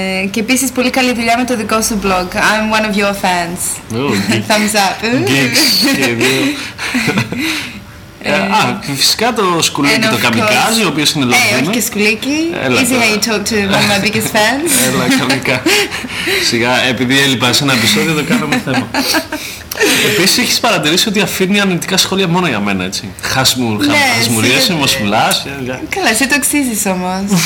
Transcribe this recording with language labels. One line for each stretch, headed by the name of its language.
Greek: Και επίσης πολύ καλή δουλειά με το δικό σου blog.
English: I'm one of your fans. Oh, thumbs up. Geeks.
Greek: Α, φυσικά το σκουλίκι και το καμικάζι, ο οποίος είναι Λονδίνο. Όχι και σκουλίκι.
English: Easy how you talk to one of my biggest fans.
Greek: Έλα, καμικά. Σιγά, επειδή έλειπα σε ένα επεισόδιο, το κάναμε θέμα. Επίσης, έχεις παρατηρήσει ότι αφήνει αρνητικά σχόλια μόνο για μένα, έτσι. Χασμουριέσαι, μου σπουλάς. Καλά, εσύ το αξίζεις όμως.